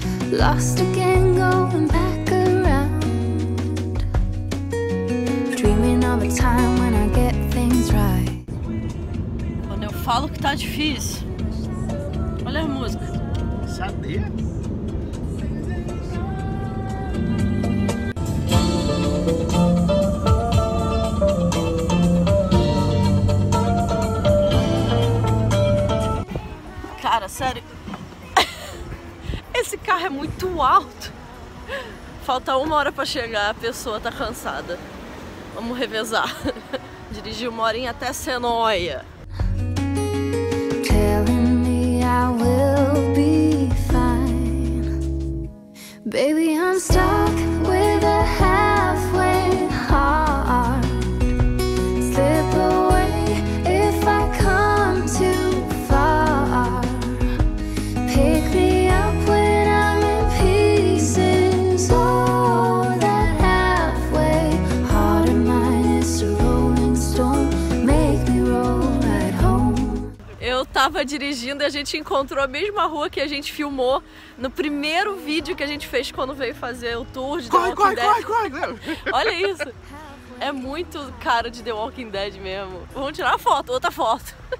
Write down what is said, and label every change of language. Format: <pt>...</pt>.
<en>Lost again, going back around, dreaming of a time when I get things right.</en> <pt>Quando eu falo que tá difícil, olha a música. Sabia? Cara, sério. Esse carro é muito alto. Falta 1 hora pra chegar, a pessoa tá cansada. Vamos revezar. Dirigir 1 horinha até Senoia.</pt> <en>Telling me I will be fine. Baby, I'm stuck with a halfway heart. Slip away if I come too far. Pick me up when I'm in pieces. Oh, that halfway heart of mine is a rolling stone. Make me roll at home.</en> <pt>Eu tava dirigindo e a gente encontrou a mesma rua que a gente filmou no primeiro vídeo que a gente fez quando veio fazer o tour de The Walking Dead. Olha isso. É muito cara de The Walking Dead mesmo. Vamos tirar uma foto, outra foto.</pt>